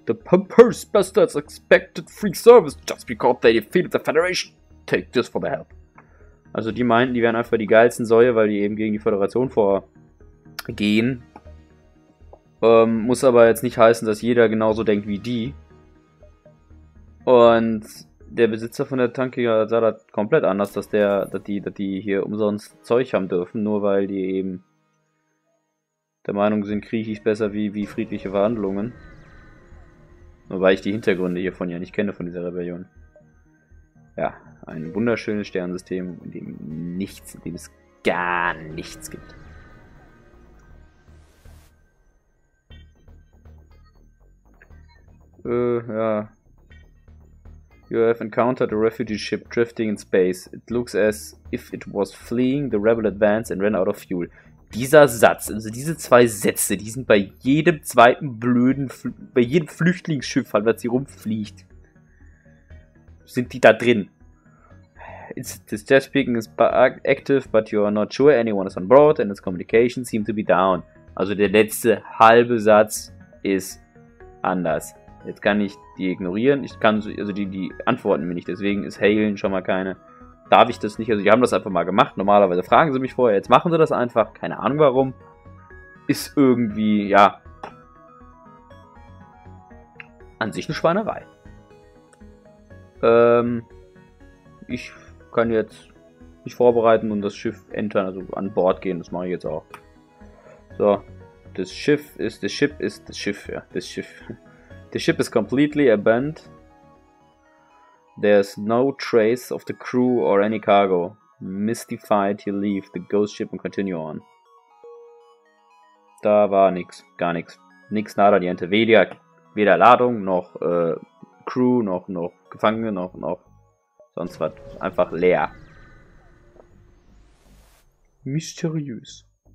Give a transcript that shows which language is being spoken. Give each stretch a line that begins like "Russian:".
English: The Pumpers Bastards expected free service just because they defeated the Federation. Take this for the help.
German: Also die meinten, die wären einfach die geilsten Säue, weil die eben gegen die Föderation vorgehen. Muss aber jetzt nicht heißen, dass jeder genauso denkt wie die. Und der Besitzer von der Tanke sah das komplett anders, dass die hier umsonst Zeug haben dürfen, nur weil die eben der Meinung sind, Krieg ist besser wie friedliche Verhandlungen. Nur weil ich die Hintergründe hiervon ja nicht kenne, von dieser Rebellion. Ja, ein wunderschönes Sternsystem, in dem es gar nichts gibt. Ja.
English: You have encountered a refugee ship drifting in space. It looks as if it was fleeing the rebel advance and ran out of fuel.
German: Dieser Satz, also diese zwei Sätze, die sind bei jedem zweiten blöden, bei jedem Flüchtlingsschiff halt, was hier rumfliegt, sind die da drin.
English: This jet speaking is active, but you are not sure anyone is on board and its communication seems to be down.
German: Also der letzte halbe Satz ist anders. Jetzt kann ich die ignorieren, ich kann, also die antworten mir nicht, deswegen ist Hailen schon mal keine. Darf ich das nicht? Also die haben das einfach mal gemacht. Normalerweise fragen sie mich vorher. Jetzt machen sie das einfach. Keine Ahnung warum. Ist irgendwie, ja, an sich eine Schweinerei. Ich kann jetzt mich vorbereiten und das Schiff entern, also an Bord gehen. Das mache ich jetzt auch. So.
English: The ship is completely abandoned. There's no trace of the crew or any cargo. Mystified, you leave the ghost ship and continue on.
German: Da war nix, gar nix. Nix, nada, die Ente. Weder Ladung, noch Crew, noch Gefangene, noch sonst was. Einfach leer. Mysteriös.